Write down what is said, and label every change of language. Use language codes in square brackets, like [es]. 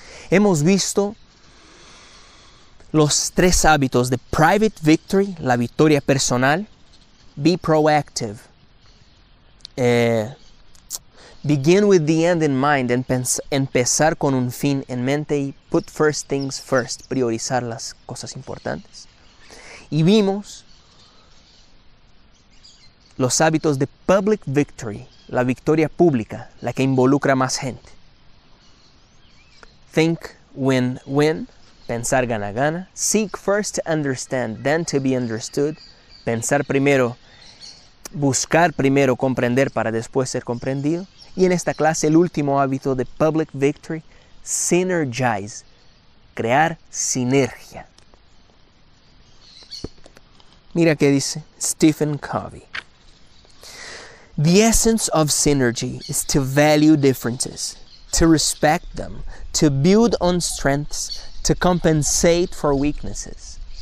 [es] Hemos visto los tres hábitos de Private Victory, la victoria personal, [en] Be Proactive, Begin with the End in Mind, [es] empezar con un fin en mente y [en] Put First Things First, [es] priorizar las cosas importantes. Y vimos los hábitos de Public Victory, la victoria pública, la que involucra más gente. [en] Think win-win, [es] pensar gana-gana. [en] Seek first to understand, then to be understood. [es] Pensar primero, buscar primero comprender para después ser comprendido. Y en esta clase, el último hábito de Public Victory, Synergize, crear sinergia. Mira qué dice Stephen Covey. [en] The essence of synergy is to value differences, to respect them, to build on strengths, to compensate for weaknesses.